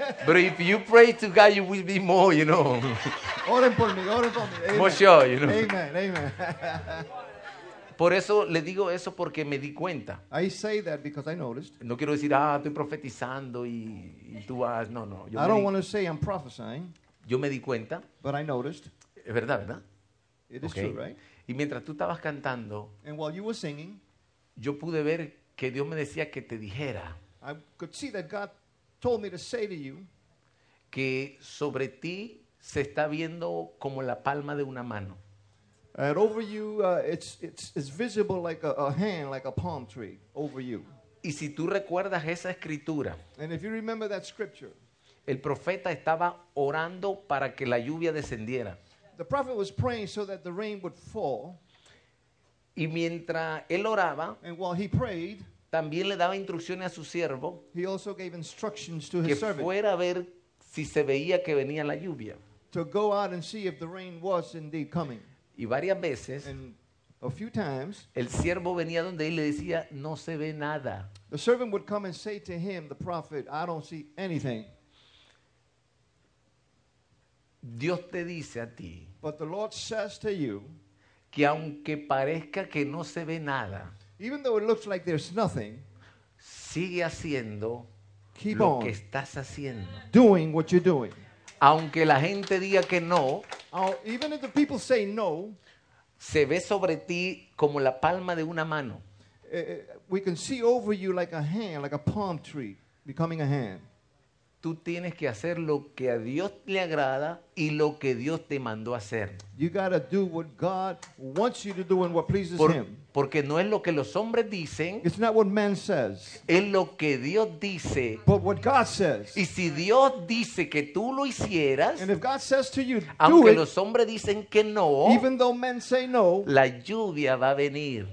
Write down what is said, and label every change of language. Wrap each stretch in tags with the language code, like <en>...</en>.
<en>But if you pray to God, you will be more, you know.</en> <es>Oren por mí, oren por mí. Amen.</es> <en>More sure, you know. Amen.</en> <es>Por eso le digo eso porque me di cuenta.</es> <en>I say that because I noticed.</en> <es>No quiero decir, estoy profetizando y tú vas. No.</es> <en>I don't want to say I'm prophesying.</en> <es>Yo me di cuenta.</es> <en>But I noticed.</en> <es>Es verdad, ¿verdad?</es> <en>It is true, right?</en> <es>Y mientras tú estabas cantando.</es> <en>And while you were singing.</en> <es>Yo pude ver que Dios me decía que te dijera.</es> <en>I could see that God told me to say to you</en> <es>que sobre ti se está viendo como la palma de una mano.</es> <en>And over you it's visible like a hand, like a palm tree over you.</en> <es>Y si tú recuerdas esa escritura,</es> <en>and if you remember that scripture,</en> <es>el profeta estaba orando para que la lluvia descendiera.</es> <en>The prophet was praying so that the rain would fall.</en> <es>Y mientras él oraba,</es> <en>and while he prayed,</en> <es>también le daba instrucciones a su siervo que fuera a ver si se veía que venía la lluvia.</es> <en>To go out and see if the rain was indeed coming.</en> <es>Y varias veces,</es> <en>and a few times,</en> <es>el siervo venía donde él le decía, no se ve nada.</es> <en>The servant would come and say to him, the prophet, I don't see anything.</en> <es>Dios te dice a ti,</es> <en>but the Lord says to you,</en> <es>que aunque parezca que no se ve nada,</es> <en>even though it looks like there's nothing,</en> <es>sigue haciendo,</es> <en>keep</en> <es>lo</es> <en>on</en> <es>que estás haciendo,</es> <en>doing what you're doing.</en> <es>Aunque la gente diga que no,</es> <en>even if the people say no,</en> <es>se ve sobre ti como la palma de una mano.</es> <en>We can see over you like a hand, like a palm tree becoming a hand.</en> <es>Tú tienes que hacer lo que a Dios le agrada y lo que Dios te mandó a hacer.</es> <en>You gotta do what God wants you to do and what pleases Him.</en> <es>Porque no es lo que los hombres dicen.</es> <en>It's not what man says.</en> <es>Es lo que Dios dice.</es> <en>But what God says.</en> <es>Y si Dios dice que tú lo hicieras.</es> <en>And if God says to you, do</en> <es>aunque</es> <en>it,</en> <es>los hombres dicen que no.</es> <en>Even though men say no.</en> <es>La lluvia va a venir.</es>